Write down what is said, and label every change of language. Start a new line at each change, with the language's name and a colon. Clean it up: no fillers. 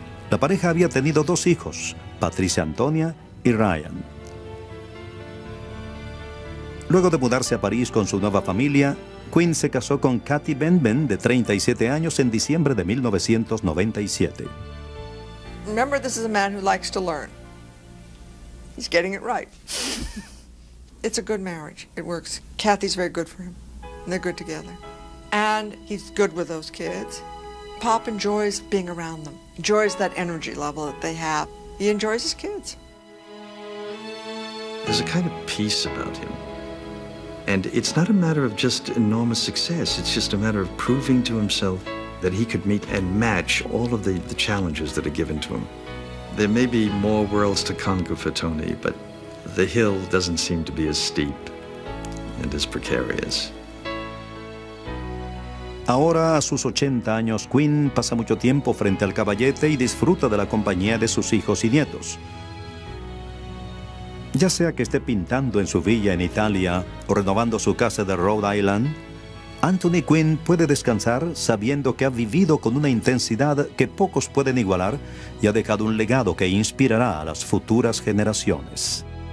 Spanish: La pareja había tenido 2 hijos, Patricia Antonia y Ryan. Luego de mudarse a París con su nueva familia, Quinn se casó con Kathy Benben, de 37 años, en diciembre de 1997.
English: Remember, this is a man who likes to learn. He's getting it right. It's a good marriage. It works. Kathy's very good for him. They're good together. And he's good with those kids. Pop enjoys being around them. Enjoys that energy level that they have. He enjoys his kids. There's a kind of peace about him. And it's not a matter of just enormous success. It's just a matter of proving to himself that he could meet and match all of the challenges that are given to him. There may be more worlds to conquer for Tony, but the hill doesn't seem to be as steep and as precarious.
Spanish: Ahora, a sus 80 años, Quinn pasa mucho tiempo frente al caballete y disfruta de la compañía de sus hijos y nietos. Ya sea que esté pintando en su villa en Italia o renovando su casa de Rhode Island, Anthony Quinn puede descansar sabiendo que ha vivido con una intensidad que pocos pueden igualar y ha dejado un legado que inspirará a las futuras generaciones.